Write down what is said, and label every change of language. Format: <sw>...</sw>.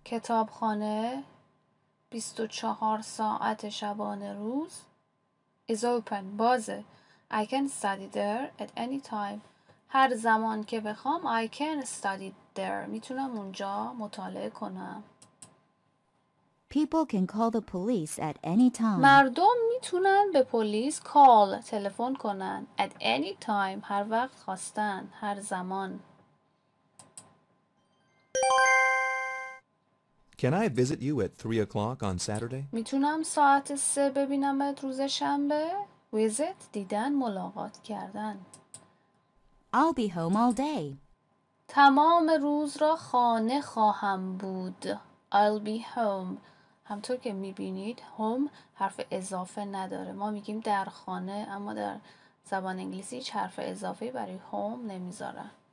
<fa>کتابخانه 24 ساعت شبانه روز</fa> <en>is open،</en> <fa>بازه.</fa> <en>I can study there at any time.</en> <fa>هر زمان که بخوام</fa> <en>I can study there،</en> <fa>میتونم اونجا مطالعه کنم.</fa> <en>People can call the police at any time.</en> <fa>مردم میتونن به پلیس call، تلفن کنن،</fa> <en>at any time،</en> <fa>هر وقت خواستن، هر زمان.</fa> <en>Can I visit you at 3 o'clock on Saturday؟</en> <fa>میتونم ساعت 3 ببینم ات روز شنبه. visit دیدن، ملاقات کردن.</fa> <en>I'll be home all day.</en> <fa>تمام روز را خانه خواهم بود.</fa> <en>I'll be home.</en> <fa>همطور که میبینید home حرف اضافه نداره. ما میگیم در خانه، اما در زبان انگلیسی هیچ حرف اضافه برای home نمیذارن.</fa>